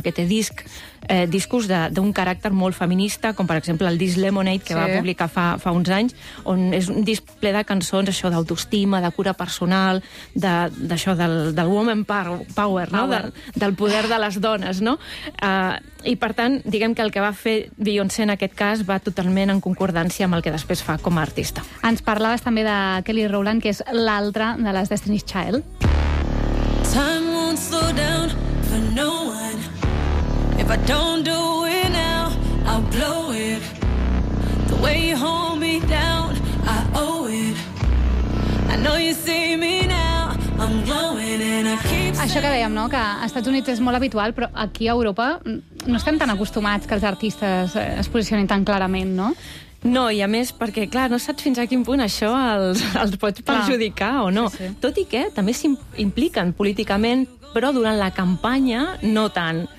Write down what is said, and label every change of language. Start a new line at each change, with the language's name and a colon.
Catalan: Perquè té discos d'un caràcter molt feminista, com per exemple el disc Lemonade, que va publicar fa uns anys, on és un disc ple de cançons, això d'autoestima, de cura personal, d'això del woman power, no? Del poder de les dones, no? I per tant, diguem que el que va fer Beyoncé en aquest cas va totalment en concordància amb el que després fa com a artista. Ens parlaves també de Kelly Rowland, que és l'altra de les Destiny's Child.
English: Time won't slow down for no one. If I don't do it now, I'll blow it. The way you hold me down, I owe it. I know you see me now, I'm glowing and I keep.
Catalan: Això que dèiem, no? Que als Estats Units és molt habitual, però aquí a Europa no estem tan acostumats que els artistes es posicionin tan clarament, no? No, i a més, perquè, clar, no saps fins a quin punt això els pots perjudicar o no. Sí, sí. Tot i que també s'impliquen políticament, però durant la campanya no tant.